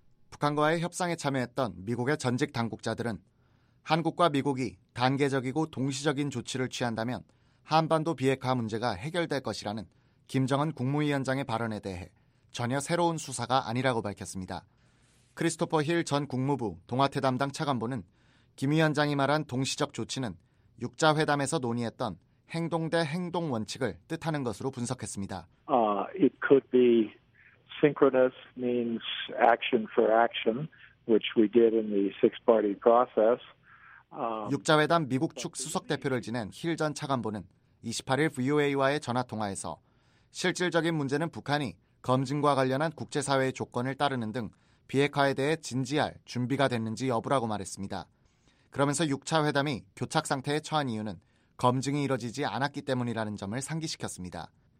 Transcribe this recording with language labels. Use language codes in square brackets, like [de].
[ko] 북한과의 협상에 참여했던 미국의 전직 당국자들은 한국과 미국이 단계적이고 동시적인 조치를 취한다면 한반도 비핵화 문제가 해결될 것이라는 김정은 국무위원장의 발언에 대해 전혀 새로운 수사가 아니라고 밝혔습니다. 크리스토퍼 힐 전 국무부 동아태 담당 차관보는 김 위원장이 말한 동시적 조치는 6자회담에서 논의했던 행동 대 행동 원칙을 뜻하는 것으로 분석했습니다. [en] It could be synchronous means action for action, which we did in the six-party process. [ko] 6자회담 미국 측 수석대표를 지낸 힐 전 차관보는 28일 VOA와의 전화통화에서 실질적인 문제는 북한이 검증과 관련한 국제사회의 조건을 따르는 등 비핵화에 대해 진지할 준비가 됐는지 여부라고 말했습니다. 그러면서 6차 회담이 교착상태에 처한 이유는 검증이 이뤄지지 않았기 때문이라는 점을 상기시켰습니다.